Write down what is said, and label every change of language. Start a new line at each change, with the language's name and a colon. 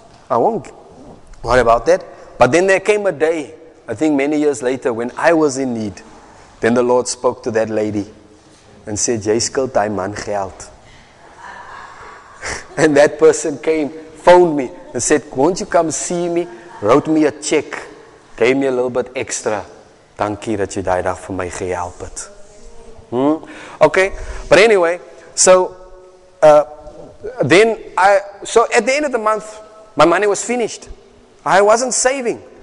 English: I won't worry about that. But then there came a day, I think many years later, when I was in need. Then the Lord spoke to that lady and said,
Afrikaans: jy skuld daai man geld.
English: And that person came, phoned me and said, won't you come see me? Wrote me a check. Gave me a little bit extra.
Afrikaans: Dankie dat jy daai dag vir my gehelp het.
English: Okay, but anyway, so then at the end of the month, my money was finished. I wasn't saving.